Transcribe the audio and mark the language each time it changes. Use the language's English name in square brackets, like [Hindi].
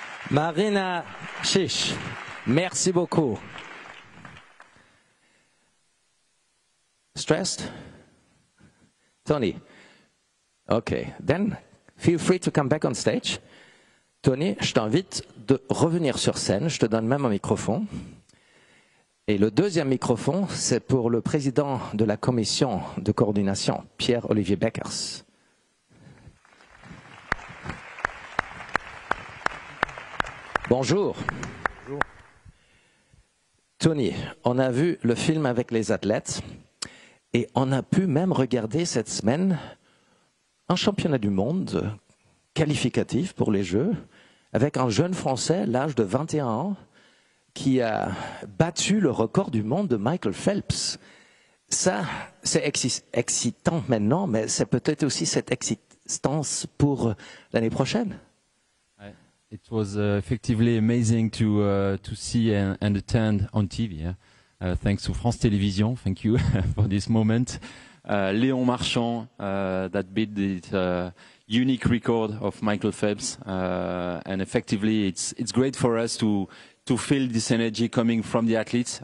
[French] Marina Kish, merci beaucoup. [English] Stressed? Tony? Okay, then feel free to come back on stage. [French] Tony, je t'invite de revenir sur scène, je te donne même un microphone. Et le deuxième microphone, c'est pour le président de la commission de coordination, Pierre-Olivier Beckers. Bonjour. Bonjour. Tony, on a vu le film avec les athlètes et on a pu même regarder cette semaine un championnat du monde qualificatif pour les Jeux avec un jeune Français, l'âge de 21 ans, qui a battu le record du monde de Michael Phelps. Ça, c'est excitant maintenant, mais c'est peut-être aussi cette excitance pour l'année prochaine. [English] It was effectively amazing to see and attend on TV. Thanks to France Télévisions, thank you for this moment. Léon Marchand that beat this unique record of Michael Phelps, and effectively it's great for us to feel this energy coming from the athletes.